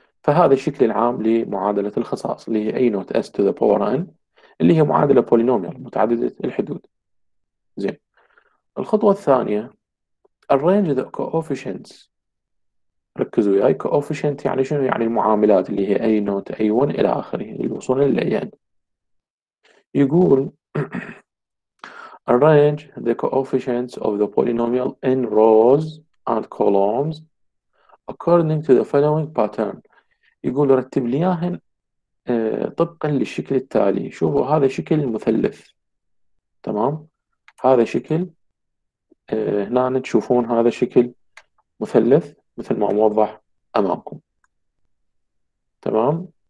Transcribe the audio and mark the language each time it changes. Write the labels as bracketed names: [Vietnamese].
[Arabic] فهذا الشكل العام لمعادلة الخصائص اللي هي [English] A not S to the power N، [Arabic] اللي هي معادلة polynomial متعددة الحدود. زين. [English] الخطوة الثانية arrange the coefficients. [Arabic] ركزوا وياي، coefficient يعني شنو؟ يعني المعاملات اللي هي A not A1 إلى آخره للوصول إلى AN. يقول [English] arrange the coefficients of the polynomial in rows and columns according to the following pattern. [Arabic] يقول رتب لياهن طبقا للشكل التالي. شوفوا هذا شكل مثلث، تمام، هذا شكل هنا تشوفون هذا شكل مثلث مثل ما موضح امامكم، تمام.